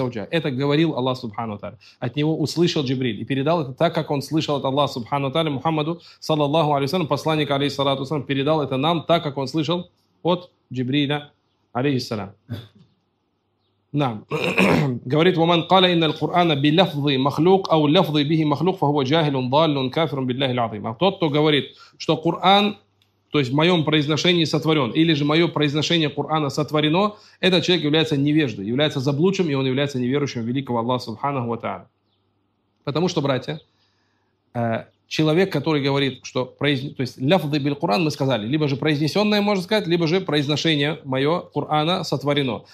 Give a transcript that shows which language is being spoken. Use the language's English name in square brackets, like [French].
[Russian] Это говорил Аллах Субхану Тааля. От него услышал Джибриль и передал это так, как он слышал от Аллаха Субхану Тааля Мухаммаду, саллаллаху алейхиссалям, посланник алейхиссалату ассалям, передал это нам так, как он слышал от Джибриля, алейхиссалям. [Arabic] نعم [Russian] говорит [Arabic] ومن قال ان القران بلفظ مخلوق او لفظ به مخلوق فهو جاهل ضال كافر بالله العظيم. [Russian] Тот, кто говорит, что Коран, то есть в моём произношении сотворён, или же моё произношение Корана сотворено, этот человек является невеждой, является заблудшим, и он является неверующим в великого Аллаха субханаху ва тааля. Потому что, братья, человек, который говорит, что то есть лафзы биль Куран, мы сказали, либо же произнесенное, можно сказать, либо же произношение мое Курана сотворено.